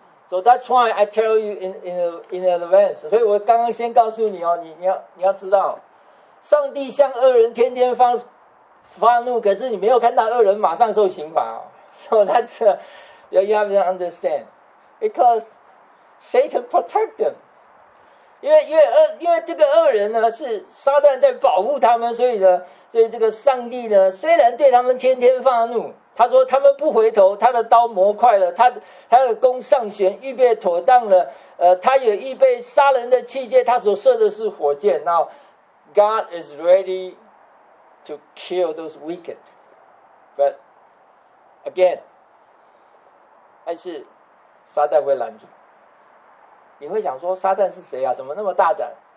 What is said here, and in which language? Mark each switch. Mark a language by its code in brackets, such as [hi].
[en] So that's why I tell you in advance. [zh] 所以我刚刚先告诉你哦,你要知道, 上帝向恶人天天发怒,可是你没有看到恶人马上受刑罚哦。 [en] So that's, you have to understand. Because Satan protect them. [zh] 因为这个恶人呢是撒旦在保护他们，所以呢，所以这个上帝呢虽然对他们天天发怒，他说他们不回头，他的刀磨快了，他的弓上弦预备妥当了，他也预备杀人的器械，他所射的是火箭。 [en] Now God is ready to kill those wicked, but again, [zh] 还是撒旦会拦住。你会想说撒旦是谁啊?怎么那么大胆?